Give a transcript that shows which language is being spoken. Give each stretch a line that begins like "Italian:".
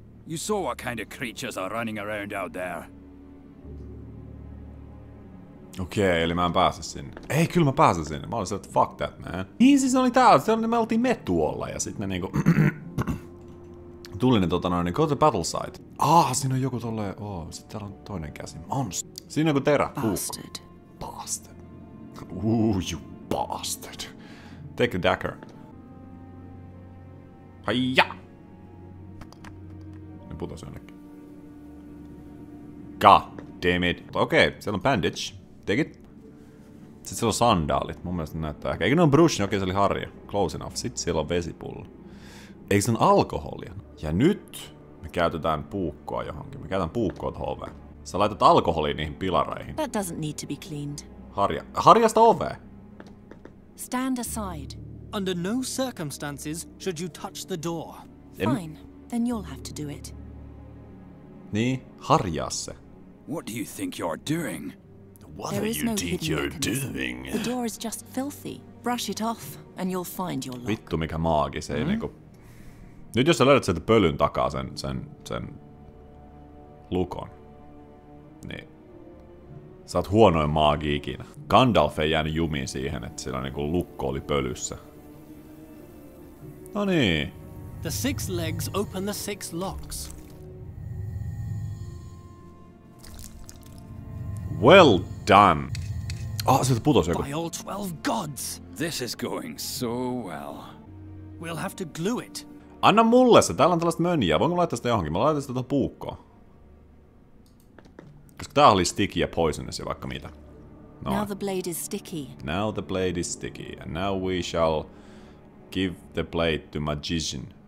English: You saw what kind of creatures are running around out there.
Finnish: Okei, eli mä en pääse sinne. Ei, kyllä mä pääsen sinne. Mä olin silleen, että
English: fuck that, man.
Finnish: Niin, siis oli täällä. Siellä me oltiin me tuolla ja sit me niinku... Tuli ne niin
English: go to the battle site.
Finnish: Siinä on joku tolleen, sit täällä on toinen käsi, monster. Siinä on joku terä,
English: bastard. Bastard. Ooh, you bastard. Take the dagger. Haija!
Finnish: Ne putosi jonnekin.
English: God damn it.
Finnish: Okei, siellä on
English: bandage. Take it.
Finnish: Sit siellä on sandaalit, mun mielestä näyttää ehkä. Eikö ne on brush, niin okei, se oli harja.
English: Close enough.
Finnish: Sit siellä on vesipullo. Eikö se on alkoholia? Ja nyt me käytetään puukkoa johonkin. Me käytetään puukkoa tuohon oveen. Sä laitat alkoholia niihin pilareihin.
English: That doesn't need to be cleaned.
Finnish: Harjasta ovea.
English: Stand aside. Under no circumstances should you touch the door. Fine, then you'll have to do it.
Finnish: Niin, harjaa se.
English: What do you think you're doing? What are you think you're doing? The door is just filthy. Brush it off and you'll find your lock.
Finnish: Vittu mikä maagi se niinku. Nyt jos sä löydät sieltä pölyn takaa sen lukon, niin sä oot huonoin maagi ikinä. Gandalf ei jäänyt jumiin siihen, että sillä niinku lukko oli pölyssä. Noniin.
English: The six legs open the six locks. Well done. Oh,
Finnish: sieltä putos joku.
English: By all 12 gods. This is going so well. We'll have to glue it.
Finnish: Anna mulle se, täällä on tällaista mönjää. Voinko laittaa sitä johonkin? Mä laitan sitä tuohon puukkoon. Koska tää oli sticky ja poisonous ja vaikka mitä.
English: Noin. Now the blade is sticky. Now the blade is sticky. And now we shall give the blade to magician.